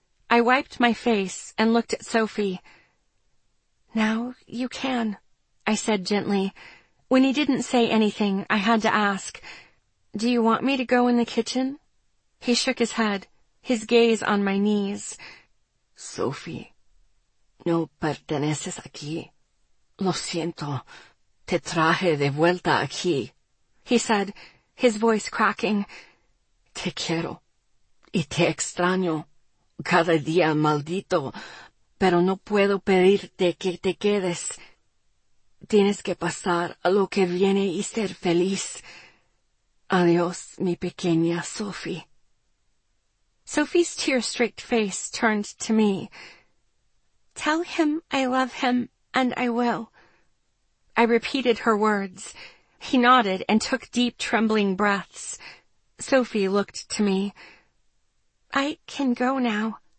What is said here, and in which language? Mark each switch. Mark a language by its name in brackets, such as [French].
[English] I wiped my face and looked at Sophie. Now you can, I said gently. When he didn't say anything, I had to ask, Do you want me to go in the kitchen? He shook his head, his gaze on my knees. [Spanish] Sophie, no perteneces aquí. Lo siento, te traje de vuelta aquí, [English] he said, his voice cracking. [Spanish] Te quiero y te extraño cada día, maldito, pero no puedo pedirte que te quedes. Tienes que pasar a lo que viene y ser feliz. Adiós, mi pequeña Sophie. [English] Sophie's tear-streaked face turned to me. Tell him I love him, and I will. I repeated her words. He nodded and took deep, trembling breaths. Sophie looked to me. I can go now.